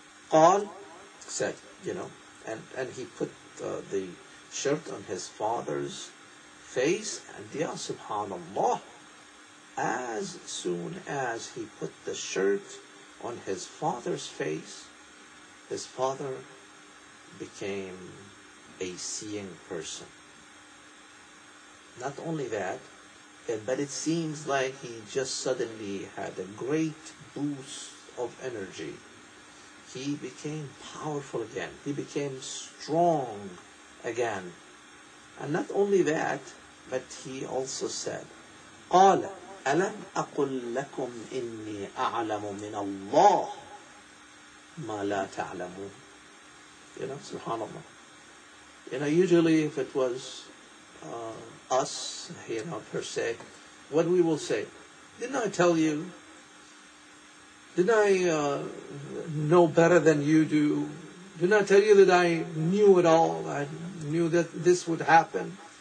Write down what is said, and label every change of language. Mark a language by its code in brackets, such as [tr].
[en] قال, said, you know, and he put the shirt on his father's face, and yeah, subhanAllah, as soon as he put the shirt on his father's face, his father became a seeing person. Not only that, but it seems like he just suddenly had a great boost of energy. He became powerful again. He became strong again. And not only that, but he also said, [ar] قَالَ أَلَمْ أَقُلْ لَكُمْ إِنِّي أَعْلَمُ مِنَ اللَّهِ مَا لَا تَعْلَمُونَ. [en] You know, subhanAllah. You know, usually if it was us, you know, per se, what we will say, didn't I tell you? Didn't I know better than you do? Didn't I tell you that I knew it all? I knew that this would happen?